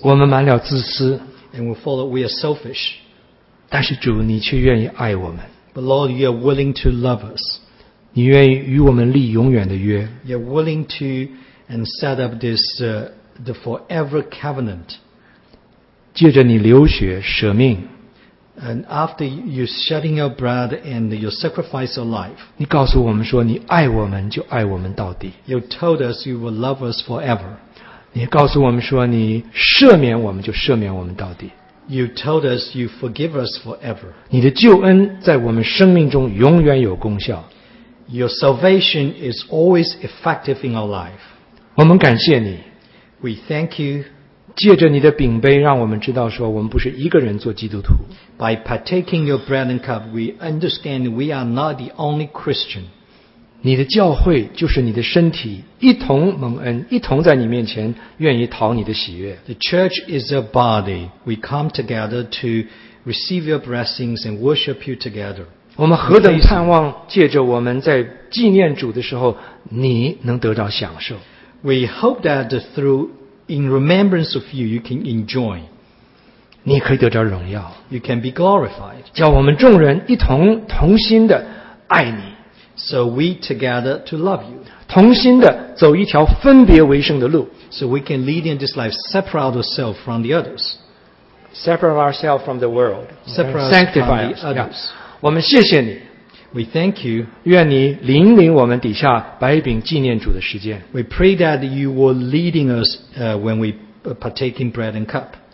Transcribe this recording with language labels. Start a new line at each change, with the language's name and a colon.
Chinese: 我们满了自私。
English: And we are selfish.
Chinese: 但是主，你却愿意爱我们。
English: But Lord, you are willing to love us.
Chinese: 你愿意与我们立永远的约。
English: You are willing to and set up this the forever covenant.
Chinese: 借着你流血舍命
English: ，and after you shedding your blood and you sacrifice your life，
Chinese: 你告诉我们说你爱我们就爱我们到底。
English: You told us you will love us forever。
Chinese: 你告诉我们说你赦免我们就赦免我们到底。
English: You told us you forgive us forever。
Chinese: 你的救恩在我们生命中永远有功效。
English: Your salvation is always effective in our life。
Chinese: 我们感谢你。
English: We thank you。
Chinese: 借着你的饼杯，让我们知道说，我们不是一个人做基督徒。
English: By partaking your bread and cup, we understand we are not the only Christian.
Chinese: 你的教会就是你的身体，一同蒙恩，一同在你面前愿意讨你的喜悦。
English: The church is a body. We come together to receive your blessings and worship you together.
Chinese: 我们何等盼望，借着我们在纪念主的时候，你能得到享受。
English: We hope that throughIn remembrance of you, you can enjoy.
Chinese: 你可以得着荣耀。
English: You can be glorified.
Chinese: 叫我们众人一同同心的爱你。
English: So we together to love you.
Chinese: 同心的走一条分别为圣的路。
English: So we can lead in this life, separate ourselves from the others. Separate ourselves from the world. Sanctify others.
Chinese: 我们谢谢你。
English: We thank you.
Chinese: 愿你引领我们底下白饼纪念主的时间。
English: We pray that you were leading us when we partake in bread and cup.